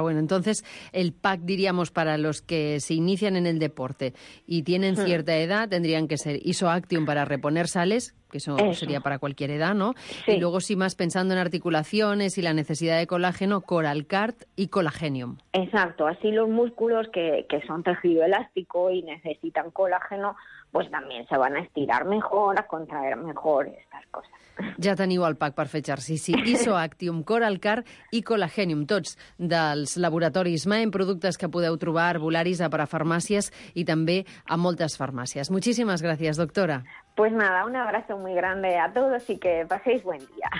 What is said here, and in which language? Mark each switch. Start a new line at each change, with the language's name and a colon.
Spanish: Bueno, entonces el pack, diríamos, para los que se inician en el deporte y tienen cierta edad, tendrían que ser Isoactium para reponer sales, que eso sería para cualquier edad, ¿no? Sí. Y luego, si más pensando en articulaciones y la necesidad de colágeno, CoralCard y Collagenium. Exacto, así los músculos que son tejido elástico y necesitan colágeno, pues también se van a estirar mejor, a contraer mejor, estas cosas.
Catalan: Ja teniu el pack per fetjar, sí. Isoactium, CoralCard i Collagenium, tots dels laboratoris Maen, productes que podeu trobar a Arbolaris, a parafarmàcies i també a moltes farmàcies. Moltíssimes gràcies, doctora.
Spanish: Pues nada, un abrazo muy grande a todos y que paséis buen día.